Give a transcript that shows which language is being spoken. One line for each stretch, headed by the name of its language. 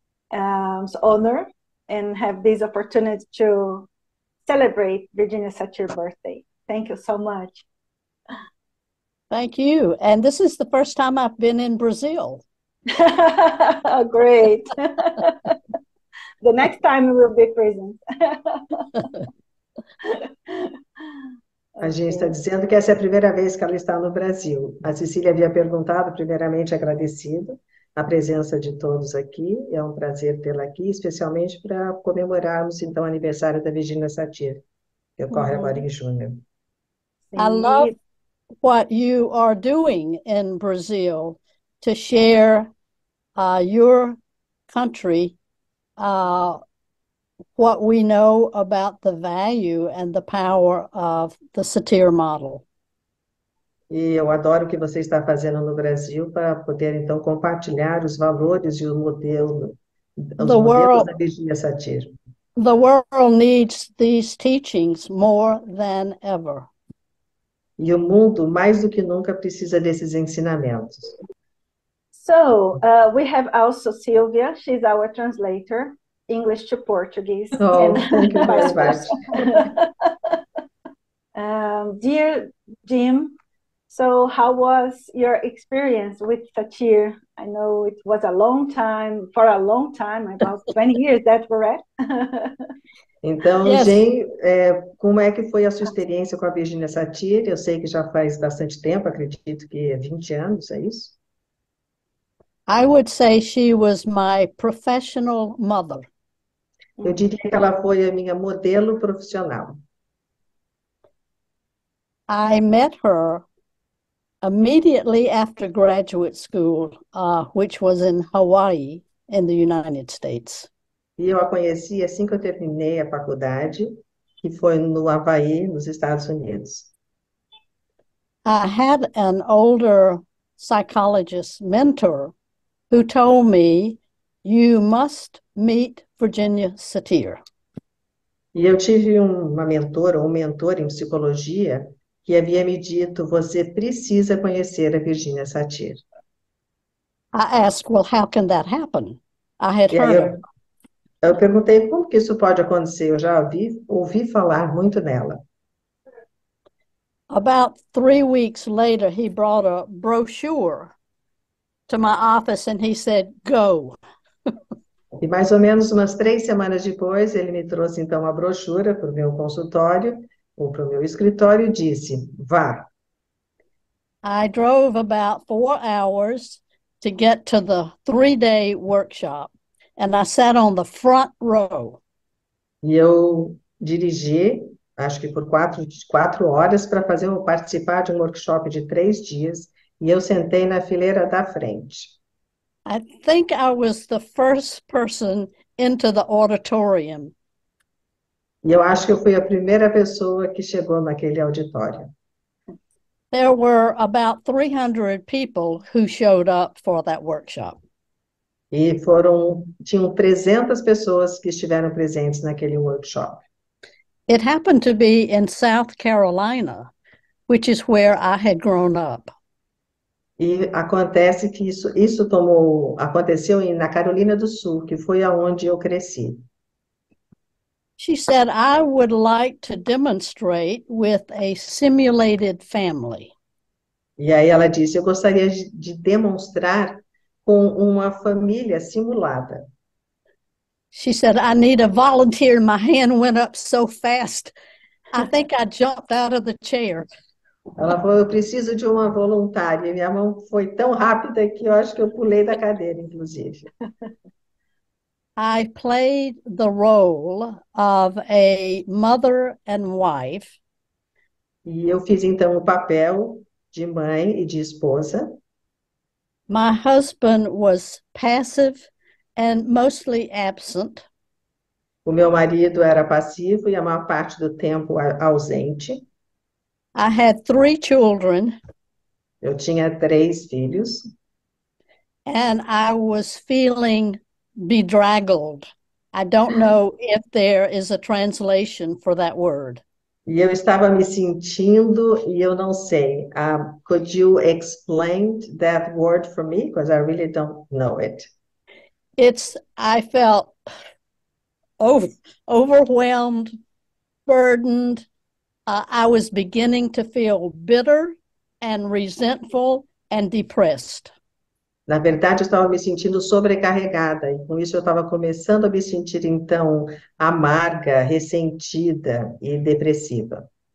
English: It's an honor and have this opportunity to celebrate Virginia Satir's birthday. Thank you so much. Thank you. And this is the first time I've been in Brazil. Oh, great. The next time we will be present.
Portuguese: A gente está dizendo que essa é a primeira vez que ela está no Brasil. A Cecília havia perguntado, primeiramente agradecido a presença de todos aqui. É um prazer tê-la aqui, especialmente para comemorarmos então o aniversário da Virginia Satir, que ocorre agora em junho.
English: I love what you are doing in Brazil to share your country. What we know about the value and the power of the Satir model.
Portuguese: E eu adoro o que você está fazendo no Brasil para poder, então, compartilhar os valores e os
English: The
Portuguese: modelos
English: world
Portuguese: da Virginia Satir.
English: needs these teachings more than ever.
Portuguese: E o mundo, mais do que nunca, precisa desses ensinamentos.
English: So, we have also Silvia, she's our translator, English to Portuguese, and Oh, thank you very vice versa. much. Dear Jim, so how was your experience with Satir? I know it was a long time, for a long time, about 20 years, that's correct?
Portuguese: Então,
English: Yes.
Portuguese: Jean, como é que foi a sua experiência com a Virginia Satir? Eu sei que já faz bastante tempo, acredito que é 20 anos, é isso?
English: I would say she was my professional mother.
Portuguese: Eu diria que ela foi a minha modelo profissional.
English: I met her immediately after graduate school, which was in Hawaii, in the United States.
Portuguese: E eu a conheci assim que eu terminei a faculdade, que foi no Havaí, nos Estados Unidos.
English: I had an older psychologist mentor who told me, "You must meet Virginia Satir."
Portuguese: E eu tive uma mentora, ou um mentor em psicologia, que havia me dito: você precisa conhecer a Virginia Satir.
English: I asked, "Well, how can that happen?" I had
Portuguese: E aí
English: heard of
Portuguese: eu. Eu perguntei como que isso pode acontecer. Eu já ouvi falar muito nela.
English: About 3 weeks later, he brought a brochure to my office and he said, "Go."
Portuguese: E mais ou menos umas 3 semanas depois, ele me trouxe então a brochura para o meu consultório ou para o meu escritório e disse: vá.
English: I drove about 4 hours to get to the 3-day workshop and I sat on the front row.
Portuguese: E eu dirigi, acho que por 4 horas, para fazer ou participar de um workshop de 3 dias, e eu sentei na fileira da frente.
English: I think I was the first person into the auditorium.
Portuguese: E eu acho que eu fui a primeira pessoa que chegou naquele auditório.
English: There were about 300 people who showed up for that workshop.
Portuguese: E tinham 300 pessoas que estiveram presentes naquele workshop.
English: It happened to be in South Carolina, which is where I had grown up.
Portuguese: E acontece que isso tomou aconteceu na Carolina do Sul, que foi aonde eu cresci.
English: She said, "I would like to demonstrate with a simulated family."
Portuguese: E aí ela disse: eu gostaria de demonstrar com uma família simulada.
English: She said, "I need a volunteer." My hand went up so fast, I think I jumped out of the chair.
Portuguese: Ela falou: eu preciso de uma voluntária. Minha mão foi tão rápida que eu acho que eu pulei da cadeira, inclusive.
English: I played the role of a mother and wife.
Portuguese: E eu fiz então o papel de mãe e de esposa.
English: My husband was passive and mostly absent.
Portuguese: O meu marido era passivo e a maior parte do tempo ausente.
English: I had three children.
Portuguese: Eu tinha 3 filhos.
English: And I was feeling bedraggled. I don't know if there is a translation for that word.
Portuguese: E eu estava me sentindo, e eu não sei.
English: Could you explain that word for me? Because I really don't know it. I felt overwhelmed, burdened. I was beginning to feel bitter and resentful and depressed.
Portuguese: Na verdade, eu estava me sentindo sobrecarregada, e com isso eu estava começando a me sentir, então, amarga, ressentida e depressiva.